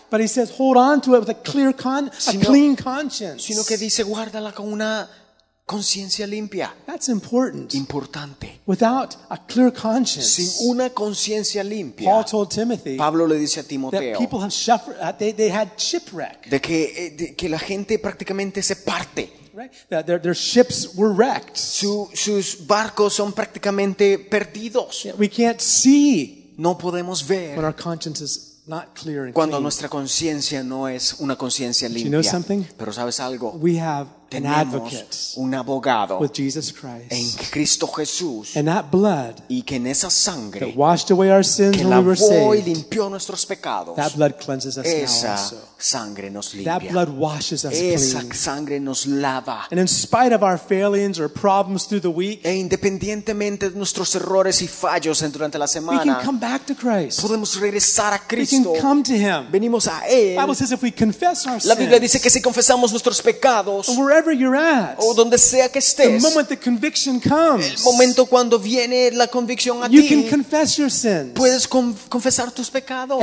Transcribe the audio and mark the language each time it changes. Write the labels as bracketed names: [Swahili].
[English] But he says hold on to it with a clear a clean conscience. [Spanish] Sino que dice guárdala con una conciencia limpia. [English] That's important. [Spanish] Importante. [English] Without a clear conscience. [Spanish] Sin una conciencia limpia. [English] Paul told Timothy. [Spanish] Pablo le dice a Timoteo. [English] That people have suffered. They had shipwreck. [Spanish] De que la gente prácticamente se parte. [English] Right? Their ships were wrecked. [Spanish] Sus barcos son prácticamente perdidos. [English] We can't see. [Spanish] No podemos ver. [English] When our conscience is not clear and [Spanish] cuando [English] clean. [Spanish] Nuestra conciencia no es una conciencia limpia. [English] You know something? [Spanish] Pero sabes algo. [English] We have an advocate, [Spanish] un abogado, [English] with Jesus Christ, [Spanish] en Cristo Jesús, [English] and that blood, [Spanish] y que en esa sangre, [English] that washed away our sins when we were saved, [Spanish] y limpió nuestros pecados, [English] that blood cleanses us now also. [Spanish] Esa sangre nos limpia. [English] That blood washes us [Spanish] esa [English] clean. [Spanish] Sangre nos lava. [English] And in spite of our failings or problems through the week, [Spanish] e independientemente de nuestros errores y fallos durante la semana, [English] we can come back to Christ. [Spanish] Podemos regresar a Cristo. [English] We can come to Him. [Spanish] Venimos a Él. [English] The Bible says if we confess our sins, [Spanish] la Biblia dice que si confesamos nuestros pecados, [English] wherever you're at, [Spanish] o donde sea que estés, [English] the moment the conviction comes, [Spanish] el momento cuando viene la convicción a [English] you [Spanish] ti, [English] can confess your sins, [Spanish] puedes confesar tus pecados,